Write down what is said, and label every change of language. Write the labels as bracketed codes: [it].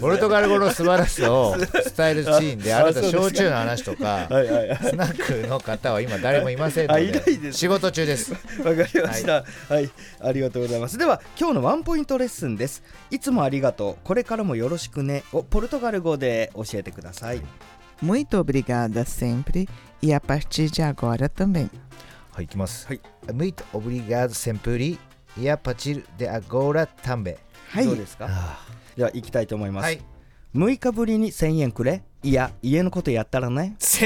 [ja] ポルトガル語の素晴らしさを伝えるシーンで、あなた焼酎の話とかスナックの方は今誰もいませんので、いないです、仕事中です。わかりました、はい、はい、ありがとうございます。では今日のワンポイントレッスンです。いつもありがとう、これからもよろしくねをポルトガル語で教えてください。 [pt] Muito obrigada sempre e a partir de agora também。 [ja] はい、いきます。 [pt] Muito obrigada sempre e a partir de agora também。 [ja] はい、どうですか？では行きたいと思います。はい、6日ぶりに1000円くれ、いや家のことやったらね。